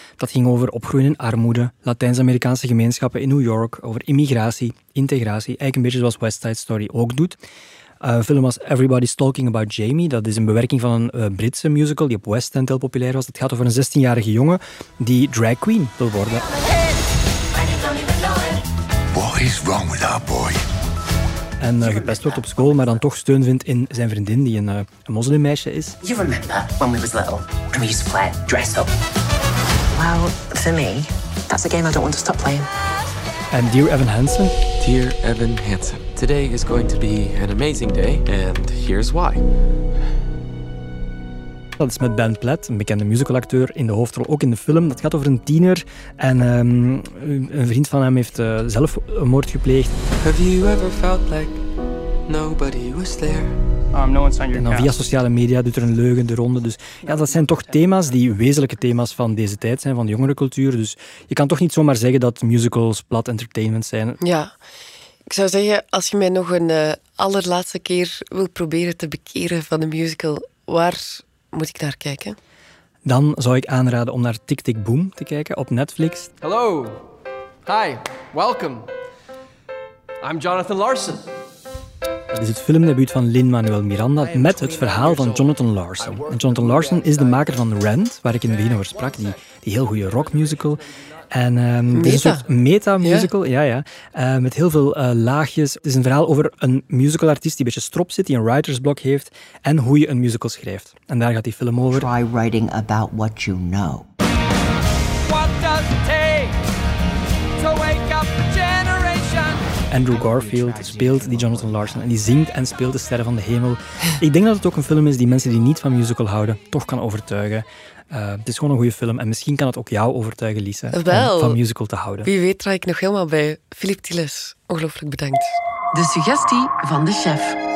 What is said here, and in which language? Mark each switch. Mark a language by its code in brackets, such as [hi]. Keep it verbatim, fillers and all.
[nl] Dat ging over opgroeien in armoede, Latijns-Amerikaanse gemeenschappen in New York, over immigratie, integratie, eigenlijk een beetje zoals West Side Story ook doet. Een film als Everybody's Talking About Jamie, dat is een bewerking van een Britse musical die op West End heel populair was. Het gaat over een zestienjarige jongen die drag queen wil worden. [en] What is wrong with our boy? [nl] En uh, gepest wordt op school, maar dan toch steun vindt in zijn vriendin, die een, uh, een moslimmeisje is. [en] You remember when we was little and we used to play dress up? Well, for me, that's a game I don't want to stop playing. And Dear Evan Hansen. Dear Evan Hansen. Today is going to be an amazing day and here's why. [nl] Dat is met Ben Platt, een bekende musicalacteur, in de hoofdrol, ook in de film. Dat gaat over een tiener en um, een vriend van hem heeft uh, zelf een moord gepleegd. [en] Have you ever felt like nobody was there? [nl] Um, [en] no one's on your [nl] en dan via sociale media doet er een leugen de ronde. Dus ja, dat zijn toch thema's die wezenlijke thema's van deze tijd zijn, van de jongerencultuur. Dus je kan toch niet zomaar zeggen dat musicals plat entertainment zijn. Ja. Ik zou zeggen, als je mij nog een uh, allerlaatste keer wil proberen te bekeren van de musical, waar... moet ik naar kijken? dan zou ik aanraden om naar Tick Tick Boom te kijken op Netflix. [en] Hello. Hi. Welcome. I'm Jonathan Larson. [nl] Het is het filmdebuut van Lin-Manuel Miranda met het verhaal van Jonathan Larson. En Jonathan Larson is de maker van Rent, waar ik in het begin over sprak, die, die heel goede rockmusical. En um, het is een soort meta-musical, ja, ja, ja uh, met heel veel uh, laagjes. Het is een verhaal over een musicalartiest die een beetje strop zit, die een writersblok heeft, en hoe je een musical schrijft. En daar gaat die film over. [en] Try writing about what you know. What does it take to wake up the generation? [nl] Andrew Garfield speelt die Jonathan Larson en die zingt en speelt de sterren van de hemel. Ik denk dat het ook een film is die mensen die niet van musical houden toch kan overtuigen. Uh, het is gewoon een goede film. En misschien kan het ook jou overtuigen, Lisa, wel, om van musical te houden. Wie weet draai ik nog helemaal bij. Philippe Tilles, ongelooflijk bedankt. De suggestie van de chef.